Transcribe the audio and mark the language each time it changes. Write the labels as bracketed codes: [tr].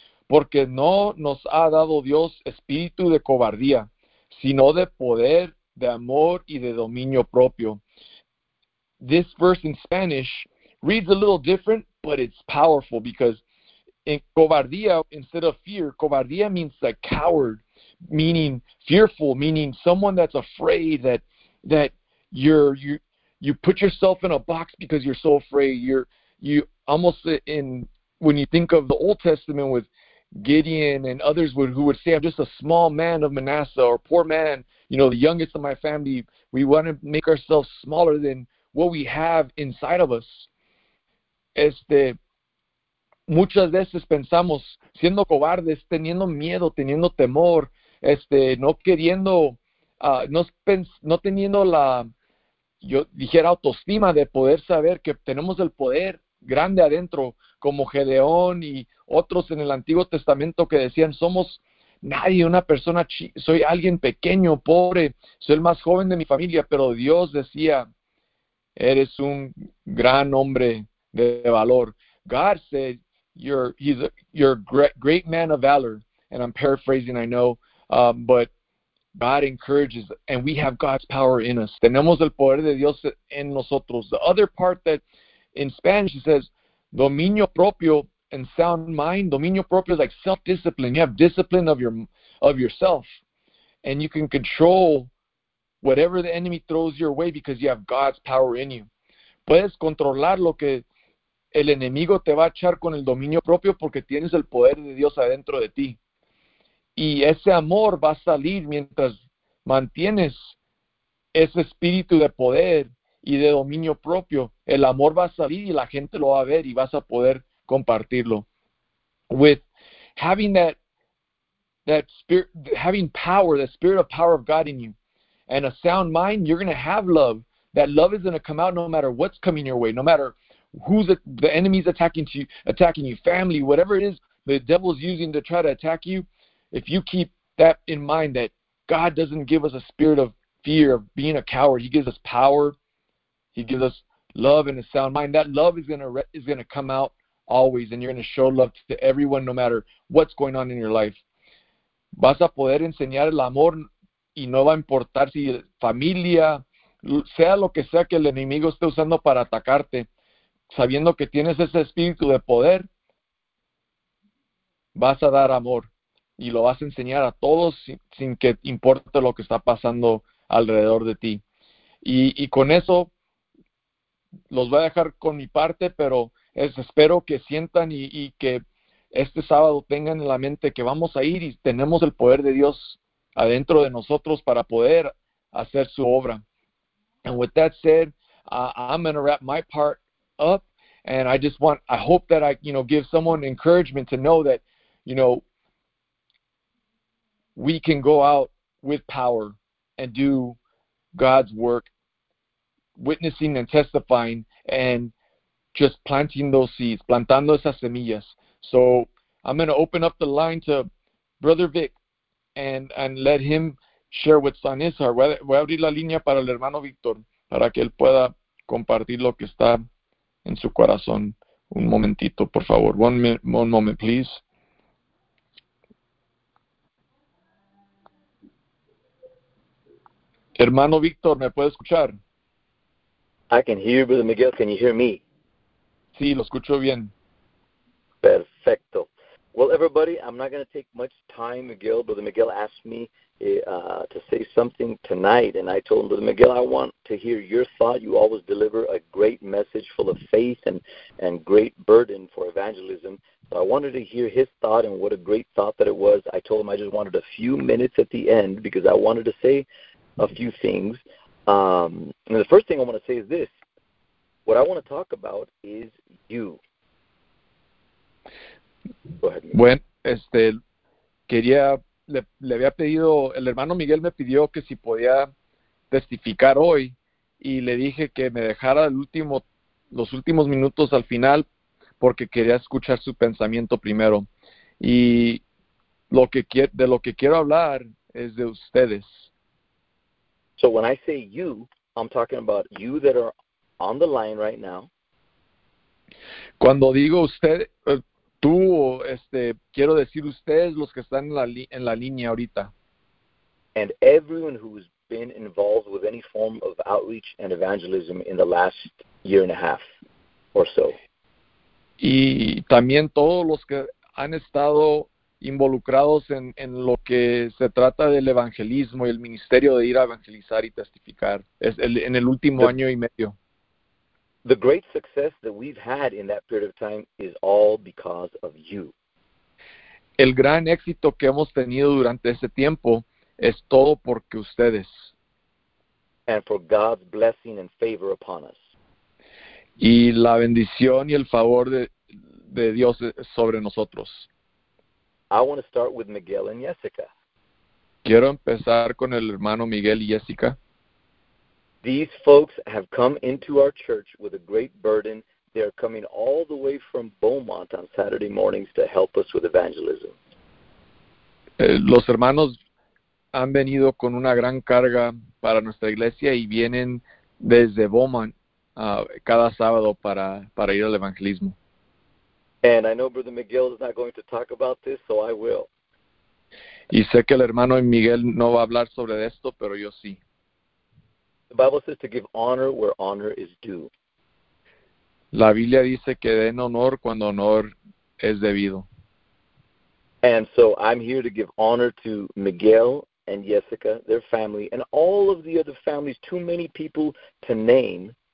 [es] Porque no nos ha dado Dios espíritu de cobardía, sino de poder, de amor y de dominio propio. [en] This verse in Spanish reads a little different, but it's powerful because in cobardía, instead of fear, cobardía means a coward, meaning fearful, meaning someone that's afraid, that you put yourself in a box because you're so afraid. You almost in when you think of the Old Testament with Gideon and others who would say, I'm just a small man of Manasseh or poor man, you know, the youngest of my family. We want to make ourselves smaller than what we have inside of us. [es] Muchas veces pensamos siendo cobardes, teniendo miedo, teniendo temor, no queriendo, no teniendo la, yo dijera, autoestima de poder saber que tenemos el poder grande adentro, como Gedeón y otros en el Antiguo Testamento que decían, somos nadie, una persona, soy alguien pequeño, pobre, soy el más joven de mi familia, pero Dios decía, eres un gran hombre de valor. [en] God said, you're a great man of valor. And I'm paraphrasing, I know. But God encourages, and we have God's power in us. [es] Tenemos el poder de Dios en nosotros. [en] The other part that in Spanish it says, dominio propio and sound mind. Dominio propio is like self-discipline. You have discipline of yourself. And you can control whatever the enemy throws your way because you have God's power in you. [es] Puedes controlar lo que el enemigo te va a echar con el dominio propio porque tienes el poder de Dios adentro de ti. Y ese amor va a salir mientras mantienes ese espíritu de poder y de dominio propio. El amor va a salir y la gente lo va a ver y vas a poder compartirlo. [en] With having that spirit, having power, the spirit of power of God in you, and a sound mind, you're going to have love. That love is going to come out no matter what's coming your way, no matter who's the enemy's attacking you, family, whatever it is the devil's using to try to attack you. If you keep that in mind, that God doesn't give us a spirit of fear, of being a coward, He gives us power, He gives us love and a sound mind. That love is gonna come out always, and you're gonna show love to everyone no matter what's going on in your life. [es] Vas a poder enseñar el amor y no va a importar si familia, sea lo que sea que el enemigo esté usando para atacarte, sabiendo que tienes ese espíritu de poder, vas a dar amor y lo vas a enseñar a todos sin que importe lo que está pasando alrededor de ti. Y con eso los voy a dejar con mi parte, pero espero que sientan y que este sábado tengan en la mente que vamos a ir y tenemos el poder de Dios adentro de nosotros para poder hacer su obra. [en] And with that said, I'm going to wrap my part up, and I hope that I, give someone encouragement to know that, we can go out with power and do God's work, witnessing and testifying and just planting those seeds, [es] plantando esas semillas. [en] So I'm going to open up the line to Brother Vic and let him share what's on his heart. [es] Voy a abrir la línea para el hermano Víctor, para que él pueda compartir lo que está en su corazón. Un momentito, por favor. [en] One moment, please. [es] Hermano Víctor, ¿me puede escuchar? [en] I can hear you, Brother Miguel. Can you hear me? [es] Sí, lo escucho bien. Perfecto. [en] Well, everybody, I'm not going to take much time. Miguel, Brother Miguel asked me to say something tonight, and I told him, Brother Miguel, I want to hear your thought. You always deliver a great message full of faith and great burden for evangelism. So I wanted to hear his thought, and what a great thought that it was. I told him I just wanted a few minutes at the end because I wanted to say a few things. And the first thing I want to say is this. What I want to talk about is you. Go ahead, Miguel. [es] Bueno, quería, le había pedido, el hermano Miguel me pidió que si podía testificar hoy y le dije que me dejara los últimos minutos al final porque quería escuchar su pensamiento primero. Y de lo que quiero hablar es de ustedes. [en] So when I say you, I'm talking about you that are on the line right now. [es] Cuando digo usted, tú, quiero decir ustedes los que están en la línea ahorita. [en] And everyone who's been involved with any form of outreach and evangelism in the last year and a half or so. [es] Y también todos los que han estado involucrados en lo que se trata del evangelismo y el ministerio de ir a evangelizar y testificar en el último año y medio. [en] The great success that we've had in that period of time is all because of you. [es] El gran éxito que hemos tenido durante ese tiempo es todo porque ustedes. [en] And for God's blessing and favor upon us. [es] Y la bendición y el favor de Dios sobre nosotros. [en] I want to start with Miguel and Jessica. [es] Quiero empezar con el hermano Miguel y Jessica. [en] These folks have come into our church with a great burden. They are coming all the way from Beaumont on Saturday mornings to help us with evangelism. [es] Los hermanos han venido con una gran carga para nuestra iglesia y vienen desde Beaumont, cada sábado para ir al evangelismo. [en] And I know Brother Miguel is not going to talk about this, so I will. [es] Y sé que el hermano Miguel no va a hablar sobre esto, pero yo sí. [en] The Bible says to give honor where honor is due. [es] La Biblia dice que den honor cuando honor es debido. [en] And so I'm here to give honor to Miguel and Jessica, their family, and all of the other families, too many people to name.